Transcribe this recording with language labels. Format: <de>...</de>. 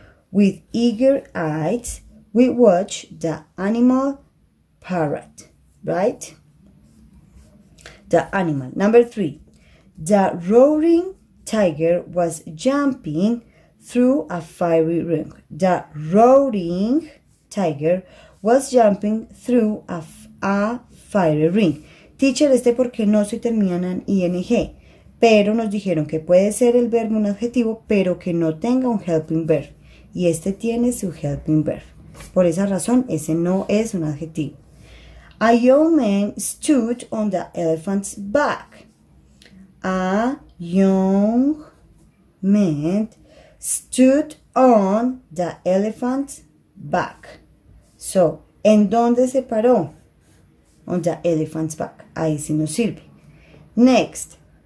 <en>With eager eyes, we watched the animal parrot. Right? The animal. Number three. The roaring tiger was jumping through a fiery ring. The roaring tiger was jumping through a fiery ring.</en> <es>Teacher, este porque no se terminan en ing, pero nos dijeron que puede ser el verbo un adjetivo, pero que no tenga un helping verb. Y este tiene su helping verb. Por esa razón, ese no es un adjetivo.</es> <en>A young man stood on the elephant's back. A young man stood on the elephant's back.</en> <es>So, ¿en dónde se paró?</es> <en>On the elephant's back.</en> <es>Ahí sí nos sirve. Next.</es>